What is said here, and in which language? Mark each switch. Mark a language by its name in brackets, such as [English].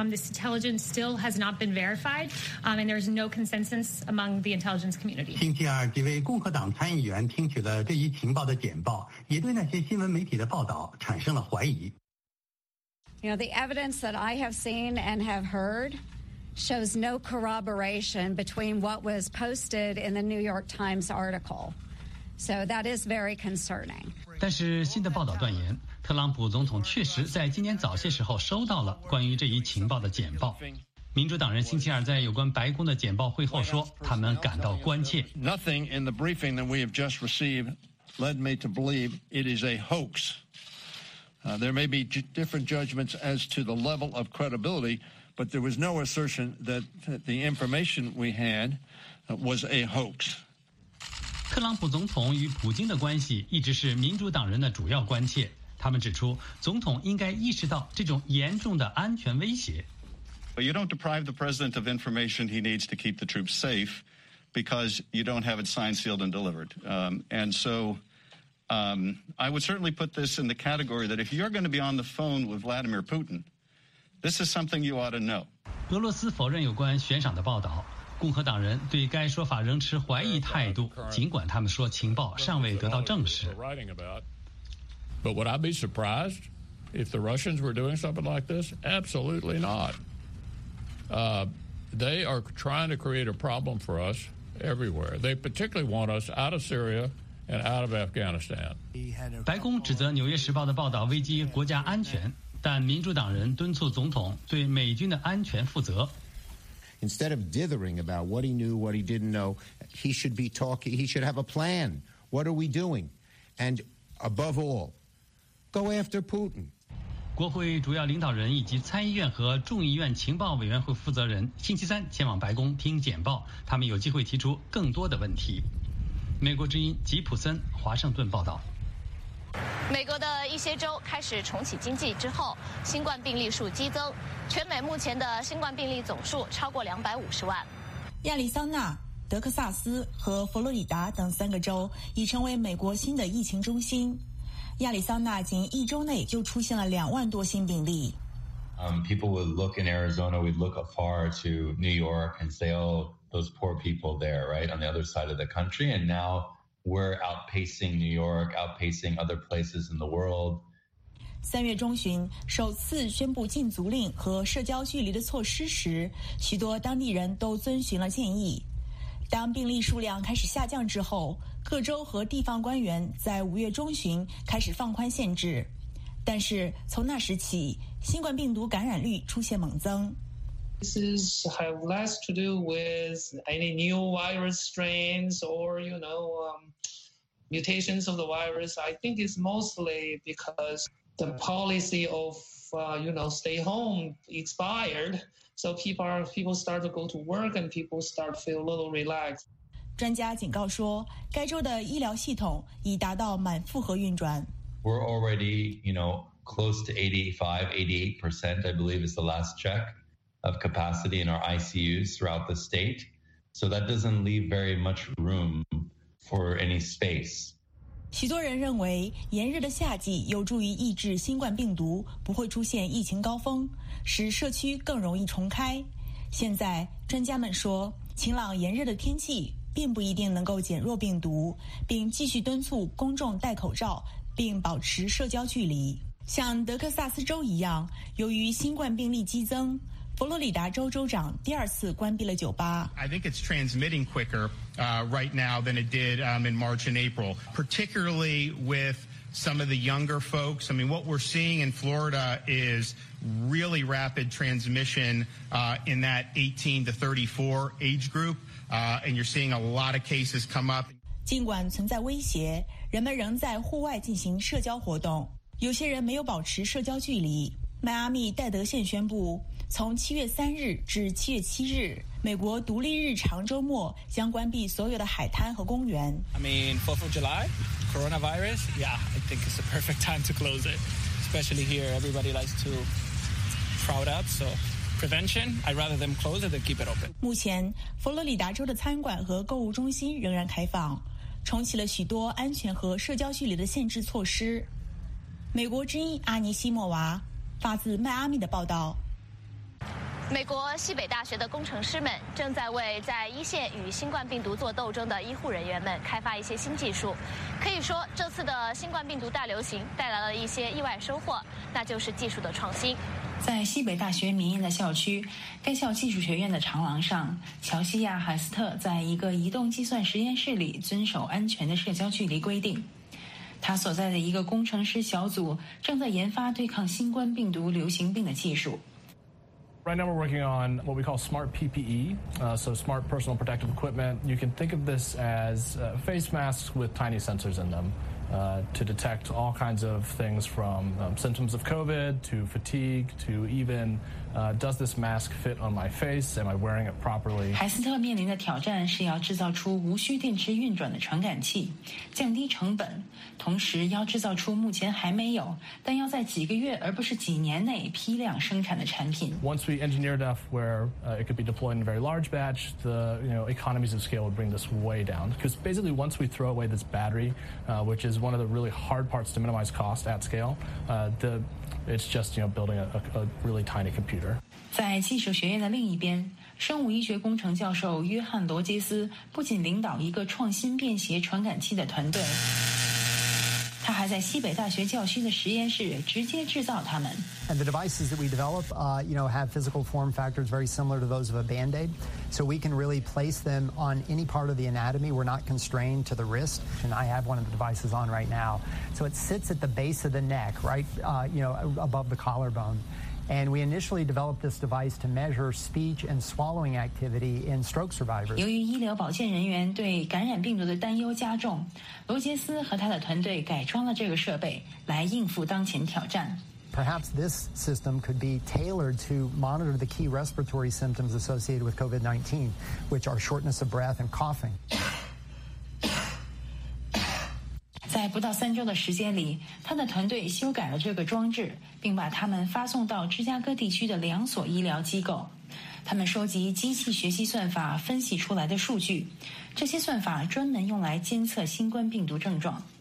[English] This intelligence still has not been verified, and there is no consensus among the intelligence community. [Chinese] 星期二，几位共和党参议员听取了这一情报的简报，也对那些新闻媒体的报道产生了怀疑。 [English] You know, the evidence that I have seen and have heard shows no corroboration between what was posted in the New York Times article. So that is very concerning. [Chinese] 但是新的报道断言，特朗普总统确实在今天早些时候收到了关于这一情报的简报。民主党人星期二在有关白宫的简报会后说，他们感到关切。 [English] Nothing in the briefing that we have just received led me to believe it is a hoax. There may be different judgments as to the level of credibility, but there was no assertion that the information we had was a hoax. [Chinese] 特朗普总统与普京的关系一直是民主党人的主要关切。他们指出，总统应该意识到这种严重的安全威胁。 [English] But you don't deprive the president of information he needs to keep the troops safe because you don't have it signed, sealed, and delivered. I would certainly put this in the category that if you're going to be on the phone with Vladimir Putin, this is something you ought to know. [Chinese] 俄罗斯否认有关悬赏的报道。共和党人对该说法仍持怀疑态度，尽管他们说情报尚未得到证实。 [English] But would I be surprised if the Russians were doing something like this? Absolutely not. They are trying to create a problem for us everywhere. They particularly want us out of Syria and out of Afghanistan. [Chinese] 白宫指责《纽约时报》的报道危机国家安全，但民主党人敦促总统对美军的安全负责。 [English] Instead of dithering about what he knew, what he didn't know, he should be talking, he should have a plan. What are we doing? And above all, go after Putin. [Chinese] 国会主要领导人以及参议院和众议院情报委员会负责人星期三前往白宫听简报，他们有机会提出更多的问题。美国之音吉普森华盛顿报道。美国的一些州开始重启经济之后，新冠病例数激增，全美目前的新冠病例总数超过250万。亚利桑那、德克萨斯和佛罗里达等三个州已成为美国新的疫情中心。亚利桑那仅一周内就出现了20,000多新病例。 [English] People would look in Arizona, we'd look afar to New York and say, "Oh, those poor people there, right on the other side of the country." And now. We're outpacing New York, outpacing other places in the world. [Chinese] 三月中旬首次宣布禁足令和社交距离的措施时，许多当地人都遵循了建议。当病例数量开始下降之后，各州和地方官员在五月中旬开始放宽限制。但是从那时起，新冠病毒感染率出现猛增。 [English] This is have less to do with any new virus strains or, you know, mutations of the virus. I think it's mostly because the policy of, stay home expired. So people start to go to work and people start to feel a little relaxed. [Chinese] 专家警告说，该州的医疗系统已达到满负荷运转。 [English] We're already, you know, close to 85-88%, I believe is the last check. Of capacity in our ICUs throughout the state, so that doesn't leave very much room for any space. [Chinese] 许多人认为炎热的夏季有助于抑制新冠病毒，不会出现疫情高峰，使社区更容易重开。现在专家们说，晴朗炎热的天气并不一定能够减弱病毒，并继续敦促公众戴口罩，并保持社交距离。像德克萨斯州一样，由于新冠病例激增。佛罗里达州州长第二次关闭了酒吧。 [English] I think it's transmitting quicker right now than it did in March and April, particularly with some of the younger folks. I mean, what we're seeing in Florida is really rapid transmission in that 18 to 34 age group, and you're seeing a lot of cases come up. [Chinese] 尽管存在威胁，人们仍在户外进行社交活动。有些人没有保持社交距离。迈阿密戴德县宣布。从7月3日至7月7日，美国独立日长周末将关闭所有的海滩和公园。 [English] I mean, 4th of July, coronavirus, yeah, I think it's the perfect time to close it. Especially here, everybody likes to crowd up, so prevention. I'd rather them close it than keep it open. [Chinese] 目前，佛罗里达州的餐馆和购物中心仍然开放，重启了许多安全和社交距离的限制措施。美国之音阿尼西莫娃发自迈阿密的报道。美国西北大学的工程师们正在为在一线与新冠病毒做斗争的医护人员们开发一些新技术。可以说，这次的新冠病毒大流行带来了一些意外收获，那就是技术的创新。在西北大学民营的校区，该校技术学院的长廊上，乔西亚·海斯特在一个移动计算实验室里遵守安全的社交距离规定。他所在的一个工程师小组正在研发对抗新冠病毒流行病的技术。 [English] Right now we're working on what we call smart PPE, so smart personal protective equipment. You can think of this as face masks with tiny sensors in them to detect all kinds of things from symptoms of COVID to fatigue to even does this mask fit on my face? Am I wearing it properly? [Chinese] 海斯特面临的挑战是要制造出无需电池运转的传感器，降低成本，同时要制造出目前还没有，但要在几个月而不是几年内批量生产的产品。 [English] Once we engineer enough where it could be deployed in a very large batch, the economies of scale would bring this way down. Because basically, once we throw away this battery, which is one of the really hard parts to minimize cost at scale, it's just building a really tiny computer. [Chinese] 在技术学院的另一边，生物医学工程教授约翰·罗杰斯不仅领导一个创新便携传感器的团队，他还在西北大学教区的实验室直接制造它们。 [English] And the devices that we develop, have physical form factors very similar to those of a Band-Aid, so we can really place them on any part of the anatomy. We're not constrained to the wrist. And I have one of the devices on right now, so it sits at the base of the neck, right, above the collarbone. And we initially developed this device to measure speech and swallowing activity in stroke survivors. [Chinese] 由于医疗保健人员对感染病毒的担忧加重，罗杰斯和他的团队改装了这个设备来应付当前挑战。 [English] Perhaps this system could be tailored to monitor the key respiratory symptoms associated with COVID-19, which are shortness of breath and coughing. [Chinese] 在不到三周的时间里，他的团队修改了这个装置，并把它们发送到芝加哥地区的两所医疗机构。他们收集机器学习算法分析出来的数据，这些算法专门用来监测新冠病毒症状。